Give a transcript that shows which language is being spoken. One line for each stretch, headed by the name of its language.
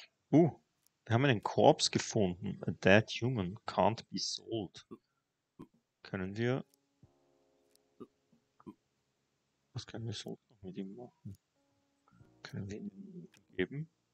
German: Wir haben einen Korps gefunden.
English: A dead human can't be sold.
German: Können wir... Was können wir sonst noch mit ihm machen? Können wir ihm geben?